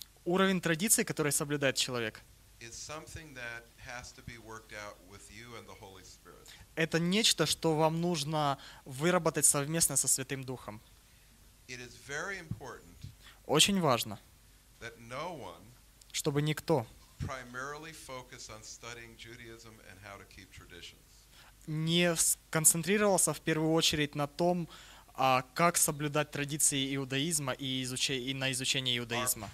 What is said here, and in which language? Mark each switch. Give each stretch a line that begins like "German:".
Russian: уровень традиции, который соблюдает человек,
English: is something that has to be worked out with you and the Holy Spirit.
Russian: Это нечто, что вам нужно выработать совместно со Святым Духом.
English: It is very important.
Russian: Очень важно,
English: that no one,
Russian: чтобы никто
English: primarily focus on studying Judaism and how to keep traditions,
Russian: не сконцентрировался в первую очередь на том, как соблюдать традиции иудаизма и на изучение иудаизма.